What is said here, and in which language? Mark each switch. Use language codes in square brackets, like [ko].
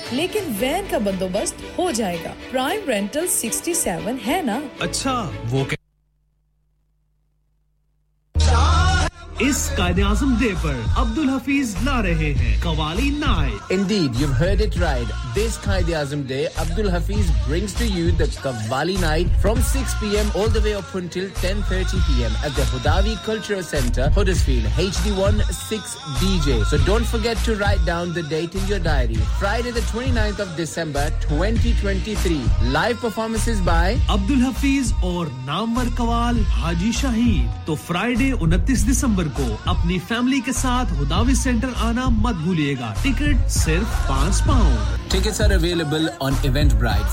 [hi] बंदोबस्त हो जाएगा प्राइम रेंटल 67 है ना अच्छा वो के... [en] Indeed, you've heard it right. This Qaide Azam Day, Abdul Hafiz brings to you the Qawwali Night from 6 p.m. all the way up until 10:30 p.m. at the Hudawi Cultural Centre, Huddersfield, HD1 6DJ. So don't forget to write down the date in your diary. Friday the 29th of December 2023. Live performances by Abdul Hafiz or Namwar Qawwal Haji Shaheed. So Friday 29th December [hi] ko. अपनी family के साथ हुदावी centre आना मत भूलिएगा ticket सिर्फ £5 [en] Tickets are available on Eventbrite.